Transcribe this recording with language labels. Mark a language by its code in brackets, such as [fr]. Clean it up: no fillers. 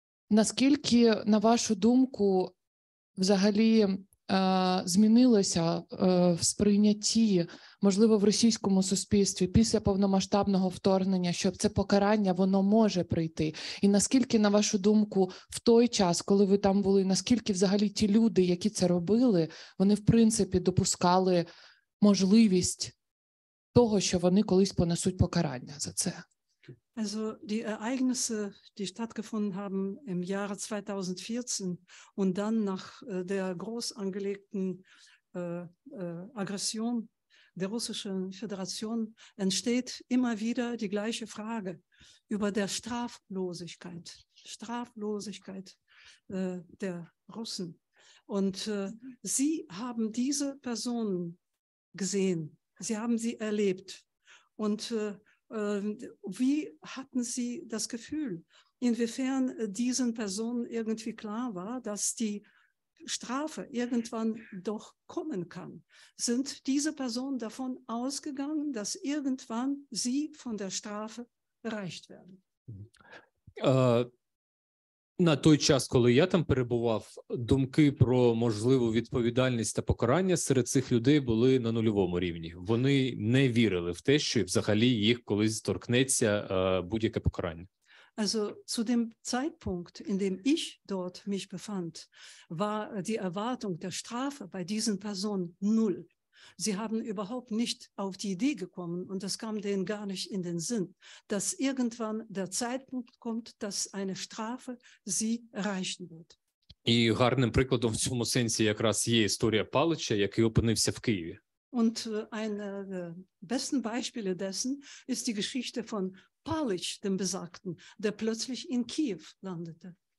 [uk] Наскільки, на вашу думку, взагалі змінилося в сприйнятті, можливо, в російському суспільстві після повномасштабного вторгнення, щоб це покарання, воно може прийти? І наскільки, на вашу думку, в той час, коли ви там були, наскільки взагалі ті люди, які це робили, вони, в принципі, допускали можливість того, що вони колись понесуть покарання за це? [de] Also die Ereignisse, die stattgefunden haben im Jahre 2014 und dann nach der groß angelegten Aggression der Russischen Föderation entsteht immer wieder die gleiche Frage über der Straflosigkeit, der Russen. Und sie haben diese Personen gesehen, sie haben sie erlebt und wie hatten Sie das Gefühl, inwiefern diesen Personen irgendwie klar war, dass die Strafe irgendwann doch kommen kann? Sind diese Personen davon ausgegangen, dass irgendwann sie von der Strafe erreicht werden? [uk] На той час, коли я там перебував, думки про можливу відповідальність та покарання серед цих людей були на нульовому рівні. Вони не вірили в те, що взагалі їх колись торкнеться будь-яке покарання. [de] Also zu dem Zeitpunkt, in dem ich dort mich befand, war die Erwartung der Strafe bei diesen Personen null. Sie haben überhaupt nicht auf die Idee gekommen und das kam denen gar nicht in den Sinn, dass irgendwann der Zeitpunkt kommt, dass eine Strafe sie erreichen wird. [uk] І гарним прикладом в цьому сенсі якраз є історія Палича, який опинився в Києві. [de] Und eine der besten Beispiele dessen ist die Geschichte von Palich, dem Besagten, der plötzlich in Kiew landete.